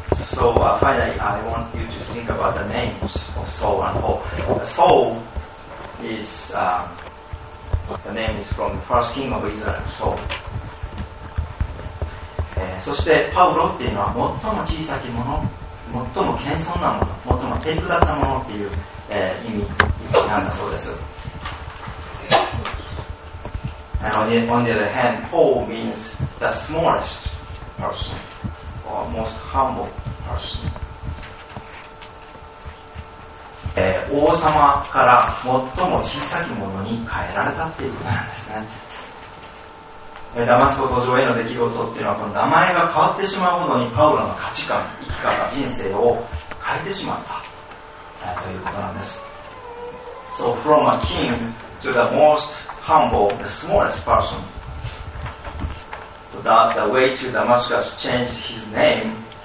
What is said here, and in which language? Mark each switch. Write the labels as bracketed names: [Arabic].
[English] So finally I want you to think about the names of Saul and Paul. Saul is the name is from the first king of Israel, Saul. [Japanese] そしてパウロっていうのは最も小さきもの、最も謙遜なもの、最も低くだったものという、意味なんだそうです。 [English] And on the other hand, Paul means the smallest person or most humble person. [Japanese] 王様から最も小さきものに変えられたということなんですね。ダマスコ途上への出来事っていうのは、この名前が変わってしまうほどにパウロの価値観、生き方、人生を変えてしまったということなんです。 [English] So from a king to the most humble, the smallest person, the way to Damascus changed his name.